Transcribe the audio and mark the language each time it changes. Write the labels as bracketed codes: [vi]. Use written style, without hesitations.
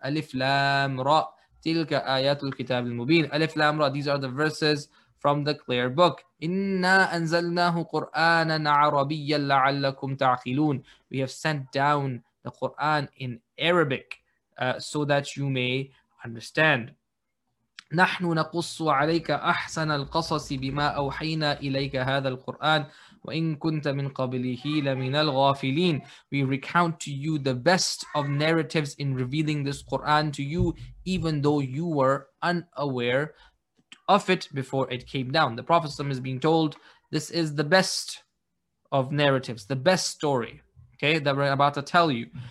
[ar] Alif lam ra. Tilka ayatul kitab al mubin. Alif lam ra. [en] These are the verses from the clear book. [ar] Inna anzalnahu Qur'anan arabiyyan la'allakum ta'qilun. [en] We have sent down the Quran in Arabic so that you may understand. [ar] نحن نقص عليك أحسن القصص بما أوحينا إليك هذا القرآن وإن كنت من قبله لمن الغافلين. [en] We recount to you the best of narratives in revealing this Quran to you, even though you were unaware of it before it came down. The Prophet ﷺ is being told, this is the best of narratives, the best story, okay, that we're about to tell you.